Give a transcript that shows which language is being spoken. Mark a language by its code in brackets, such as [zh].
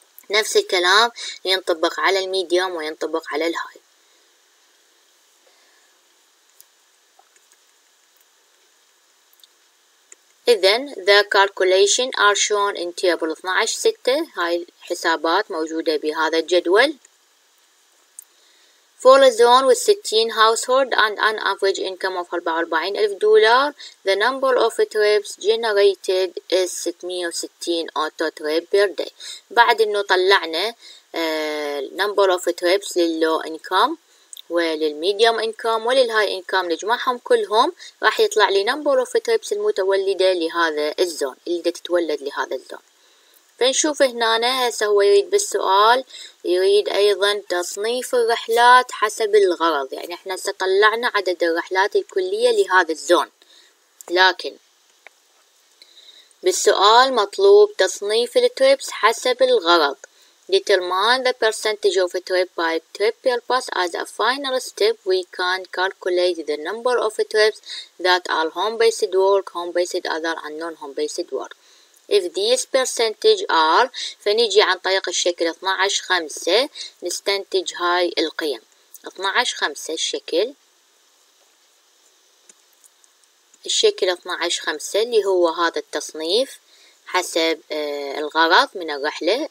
[ar] نفس الكلام ينطبق على الميديوم وينطبق على الهاي. إذن [en] the calculation are shown in table 12.6، [ar] هاي الحسابات موجودة بهذا الجدول. [en] For a zone with 16 households and an average income of $44,000, the number of trips generated is 660 auto trips per day. [ar] بعد إنه طلعنا number of trips للlow income وللmedium income وللhigh income نجمعهم كلهم، راح يطلع لي number of trips المتولدة لهذا الزون اللي تتولد لهذا الزون. فنشوف هنا هسه هو يريد بالسؤال يريد ايضا تصنيف الرحلات حسب الغرض، يعني احنا هسه طلعنا عدد الرحلات الكلية لهذا الزون، لكن بالسؤال مطلوب تصنيف التريبس حسب الغرض. [en] Determine the percentage of a trip by trip per bus. As a final step, we can calculate the number of trips that are home-based work, home-based other, and non-home-based work. If these percentage are، [ar] فنيجي عن طريق الشكل 12.5 نستنتج هاي القيم. 12.5 الشكل، الشكل 12.5 اللي هو هذا التصنيف حسب الغرض من الرحلة.